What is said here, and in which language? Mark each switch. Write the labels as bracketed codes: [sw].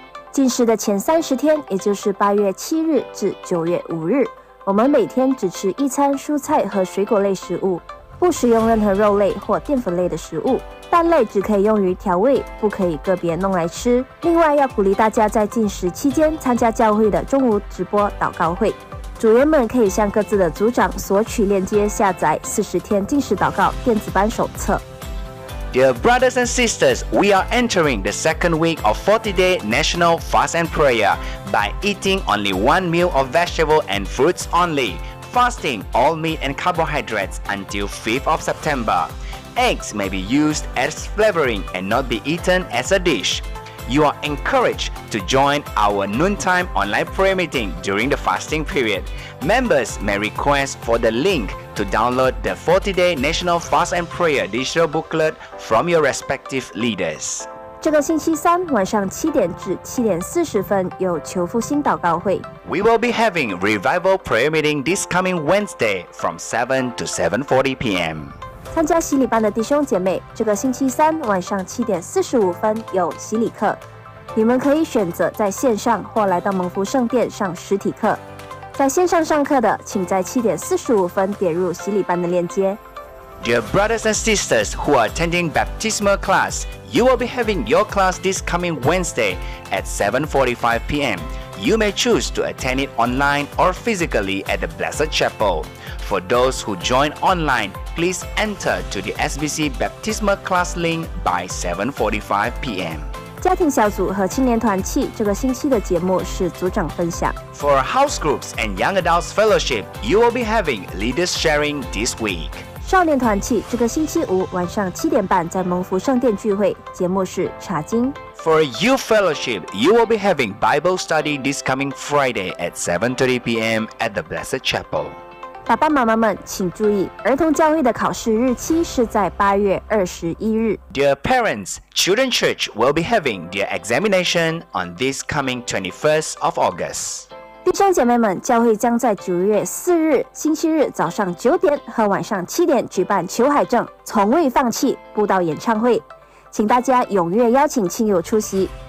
[zh] 禁食的前三十天，也就是八月七日至九月五日，我们每天只吃一餐蔬菜和水果类食物，不食用任何肉类或淀粉类的食物，蛋类只可以用于调味，不可以个别弄来吃。另外，要鼓励大家在禁食期间参加教会的中午直播祷告会。组员们可以向各自的组长索取链接下载40天禁食祷告电子版手册。 [en] Dear brothers and sisters, we are entering the second week of 40-day national fast and prayer by eating only one meal of vegetable and fruits only, fasting all meat and carbohydrates until 5th of September. Eggs may be used as flavoring and not be eaten as a dish. You are encouraged to join our noontime online prayer meeting during the fasting period. Members may request for the link to download the 40-day National Fast and Prayer digital booklet from your respective leaders. [zh] 这个星期三晚上七点至七点四十分有求复兴祷告会。 [en] We will be having revival prayer meeting this coming Wednesday from 7 to 7:40 p.m. [zh] 参加洗礼班的弟兄姐妹，这个星期三晚上七点四十五分有洗礼课，你们可以选择在线上或来到蒙福圣殿上实体课。在线上上课的，请在七点四十五分点入洗礼班的链接。 [en] Dear brothers and sisters who are attending baptismal class, you will be having your class this coming Wednesday at 7:45 p.m. You may choose to attend it online or physically at the Blessed Chapel. For those who join online, please enter to the SBC Baptismal Class link by 7:45 p.m. [zh] 家庭小组和青年团契这个星期的节目是组长分享。 [en] For house groups and young adults fellowship, you will be having leaders sharing this week. [zh] 少年团契这个星期五晚上七点半在蒙福圣殿聚会，节目是查经。 [en] For youth fellowship, you will be having Bible study this coming Friday at 7:30 p.m. at the Blessed Chapel. [zh] 爸爸妈妈们请注意儿童教会的考试日期是在8月21日 [en] Dear parents, Children's Church will be having their examination on this coming 21st of August [zh] 弟兄姐妹们教会将在9月4日星期日早上9点和晚上7点举办裘海正从未放弃布道演唱会请大家踊跃邀请亲友出席